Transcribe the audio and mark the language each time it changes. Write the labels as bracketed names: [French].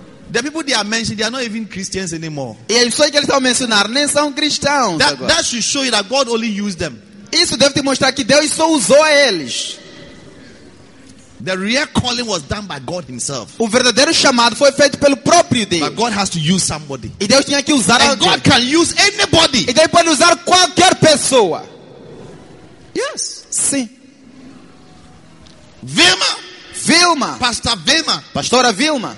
[English] The people they are mentioning, they are not even Christians anymore. [Portuguese] E as pessoas que eles estão a mencionar nem são cristãos. [English] That should show you that God only used them. [Portuguese] Isso deve te mostrar que Deus só usou a eles. [English] The real calling was done by God himself. [Portuguese] O verdadeiro chamado foi feito pelo próprio Deus. [English] But God has to use somebody. [Portuguese] E Deus tinha que usar [English] and [Portuguese] alguém. [English] And God can use anybody. [Portuguese] E Deus pode usar qualquer pessoa. [English] Yes. [Portuguese] Sim. [English] Vilma. [Portuguese] Vilma. [English] Pastor Vilma. [Portuguese] Pastora Vilma.